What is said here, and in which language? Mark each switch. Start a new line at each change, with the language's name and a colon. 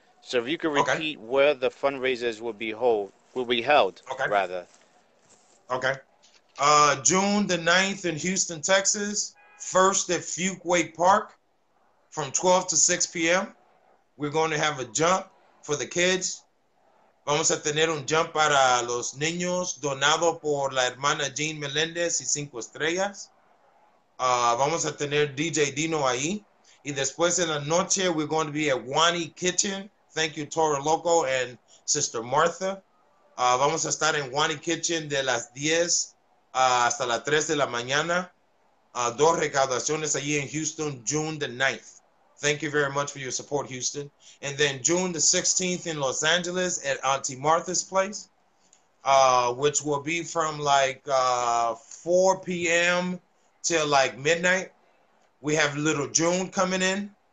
English: So if you could repeat where the fundraisers will be held. Okay. June the 9th in Houston, Texas. First at Fuquay Park from 12 to 6 p.m. We're going to have a jump for the kids.
Spanish: Vamos a tener un jump para los niños donado por la hermana Jean Meléndez y Cinco Estrellas. Vamos a tener DJ Dino ahí. Y después en la noche,
English: we're going to be at Wani Kitchen. Thank you, Toro Loco and Sister Martha.
Spanish: Vamos a estar en Wani Kitchen de las 10 hasta las 3 de la mañana. Dos recaudaciones allí en Houston,
English: June the 9th. Thank you very much for your support, Houston. And then June the 16th in Los Angeles at Auntie Martha's Place, which will be from like 4 p.m. till like midnight. We have Little June coming in.